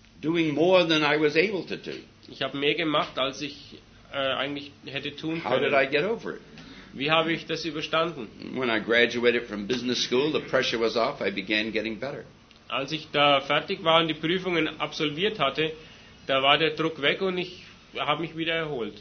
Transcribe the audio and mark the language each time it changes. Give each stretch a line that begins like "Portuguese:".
English: Doing more than I was able to do.
German: Ich habe mehr gemacht, als ich eigentlich hätte tun können.
English: How did I get over it?
German: Wie habe ich das überstanden?
English: When I graduated from business school, the pressure was off. I began getting better.
German: Als ich da fertig war und die Prüfungen absolviert hatte, da war der Druck weg und ich habe mich wieder erholt.